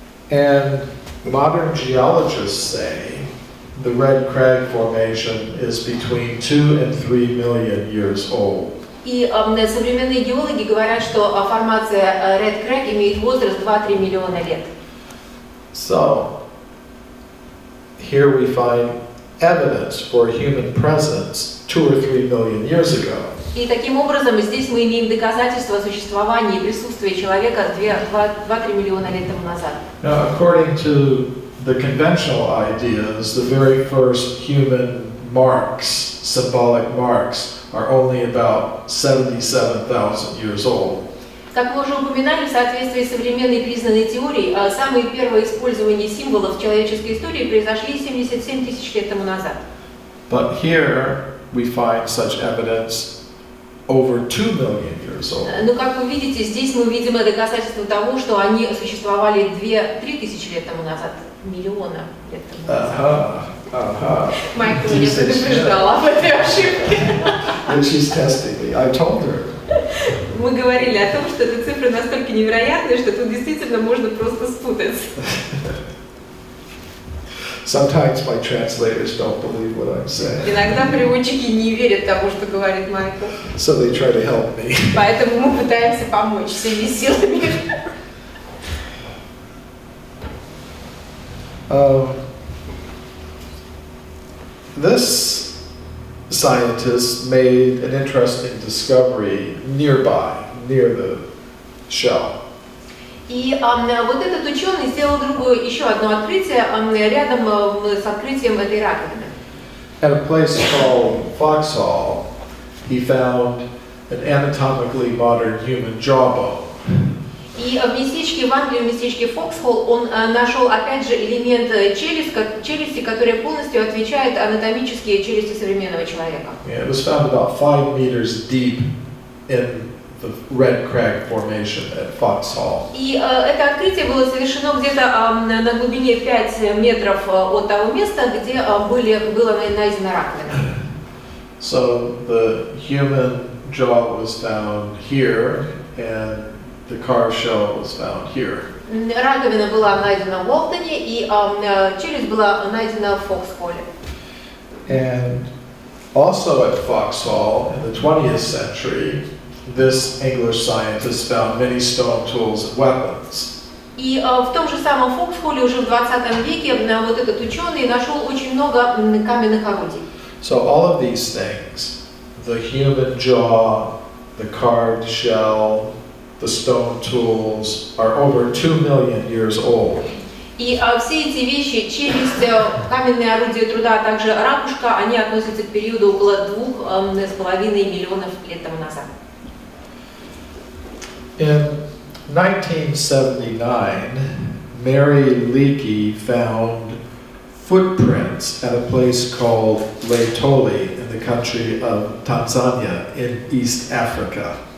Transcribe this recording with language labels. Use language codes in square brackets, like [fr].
[en] And modern geologists say the Red Crag Formation is between 2 and 3 million years old. [ru] И современные геологи говорят, что формация Red Crag имеет возраст 2-3 миллиона лет. [en] So, here we find evidence for human presence 2 or 3 million years ago. [ru] И таким образом здесь мы имеем доказательство существования и присутствия человека 2-3 миллиона лет тому назад. [en] Now, according to the conventional ideas, the very first human marks, symbolic marks, are only about 77,000 years old. [ru] Как мы уже упоминали, в соответствии с современной признанной теорией, самые первые использования символов в человеческой истории произошли 77 тысяч лет тому назад. [en] But here we find such evidence over 2 million years old. [ru] Но как вы видите, здесь мы видим доказательство того, что они существовали 2-3 тысячи лет тому назад. Миллиона лет тому назад. Майкл, я предупреждала об этой ошибке. [en] And she's testing me. I told her. [ru] мы говорили о том, что эта цифра настолько невероятная, что тут действительно можно просто спутаться. [en] Sometimes my translators don't believe what I'm saying. [ru] Иногда переводчики не верят тому, что говорит Майкл. [en] So they try to help me. [ru] Поэтому мы пытаемся помочь всеми силами. [en] This scientist made an interesting discovery nearby, near the shell. [ru] И вот этот ученый сделал другое, еще одно открытие рядом с открытием этой раковины. [en] At a place called Foxhall, he found an anatomically modern human jawbone. [ru] И в местечке в Англии, в местечке Foxhall, он нашел опять же элемент челюсти, который полностью отвечает анатомически челюсти современного человека. [en] Yeah, it was found about 5 meters deep in the Red Crag formation at Foxhall. [ru] И это открытие было совершено где-то на глубине 5 метров от того места, где было найдено раковина. [en] So the human jaw was found here and the carved shell was found here. [ru] Раковина была найдена в Лондоне, и челюсть была найдена в Foxhall. [en] And also at Foxhall in the 20th century, this English scientist found many stone tools and weapons. [ru] И в том же самом Foxhall уже в 20 веке вот этот ученый нашел очень много каменных орудий. [en] So all of these things, the human jaw, the carved shell, the stone tools are over 2 million years old. [ru] И все эти вещи, челюсть, каменные орудия труда, а также ракушка, они относятся к периоду около 2.5 миллионов лет тому назад. [en] In 1979, Mary Leakey found footprints at a place called Laetoli in the country of Tanzania in East Africa.